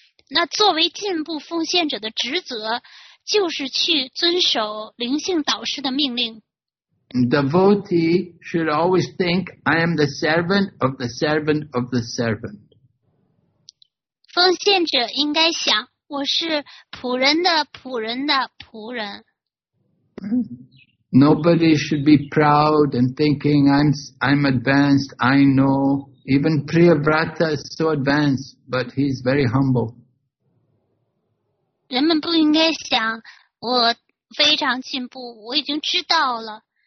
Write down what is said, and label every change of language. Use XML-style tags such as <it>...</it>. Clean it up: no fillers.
<zh>那作为进步奉献者的职责就是去遵守灵性导师的命令。</zh> <en>Devotee should always think I am the servant of the servant of the servant.</en> <zh>奉献者应该想我是仆人的仆人的仆人。</zh> <en>Nobody should be proud and thinking I'm advanced, I know. Even Priyavrata is so advanced, but he's very humble.</en> <zh>人们不应该想我非常进步，我已经知道了。</zh>